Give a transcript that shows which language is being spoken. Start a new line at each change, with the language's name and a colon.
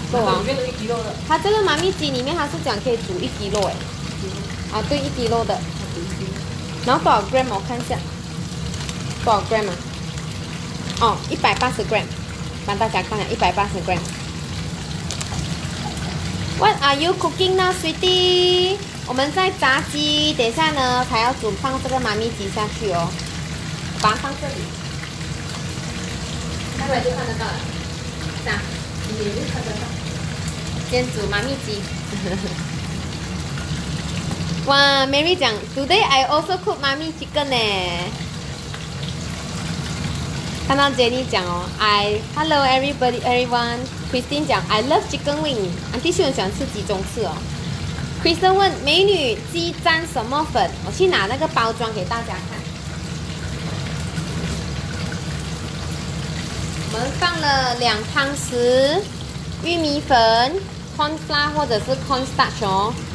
Chinese: 够啊、哦。里面有一斤肉的。它这个妈咪鸡里面，它是讲可以煮一斤肉哎。啊，对，一斤肉的。然后多少 gram 我看一下，多少 gram 啊？哦，180 gram， 帮大家看了180 gram。
English: What are you cooking now, sweetie？
Chinese: 我们在炸鸡，等一下呢，还要煮放这个妈咪鸡下去哦，把它放这里，待会就看得到了。啥？你也看得到。煎煮妈咪鸡。
English: 哇 ，Mary 讲 ，Today I also cook 妈咪 chicken 呢。
Chinese: 看到 Jenny 讲哦
English: ，I hello everybody everyone。 Christine 讲 ，I love chicken wing。
Chinese: Auntie 喜欢吃鸡中翅哦。Kristen 问美女鸡沾什么粉？我去拿那个包装给大家看。我们放了两汤匙玉米粉 ，corn flour 或者是 corn starch 哦。